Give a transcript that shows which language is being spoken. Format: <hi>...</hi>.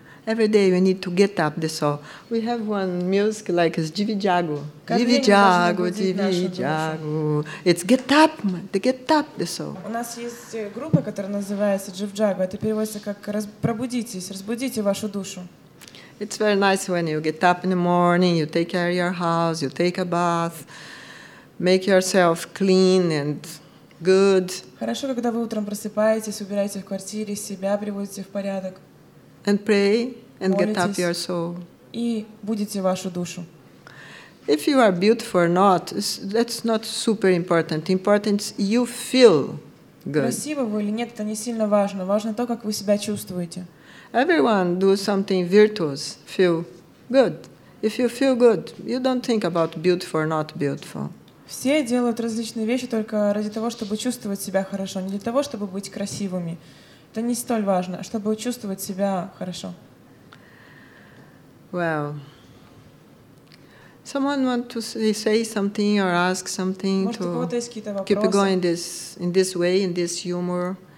<en>Every day we need to get up. That's all. We have one music like it's Divijago. Divijago, Divijago. It's get up, man. To get up. That's all.</en> <ru>У нас есть группа, которая называется Дживджаго. Это переводится как «Пробудитесь, разбудите вашу душу».</ru> <en>It's very nice when you get up in the morning, you take care of your house, you take a bath, make yourself clean and good.</en> <ru>Хорошо, когда вы утром просыпаетесь, убираете в квартире, себя приводите в порядок.</ru> <en>And pray and get up your soul.</en> <ru>И будете вашу душу.</ru> <en>If you are beautiful or not, that's not super important. Important is you feel good.</en> <ru>Красивы вы или нет, это не сильно важно. Важно то, как вы себя чувствуете.</ru> <en>Everyone do something virtuous, feel good. If you feel good, you don't think about beautiful or not beautiful.</en> <ru>Все делают различные вещи только ради того, чтобы чувствовать себя хорошо, не для того, чтобы быть красивыми. Это не столь важно, чтобы чувствовать себя хорошо.</ru> <en>Well, someone want to say something or ask something.</en> <ru>Может,</ru> <en>to</en> <ru>у кого-то есть какие-то вопросы?</ru> <en>Keep going in this way, in this humor.</en>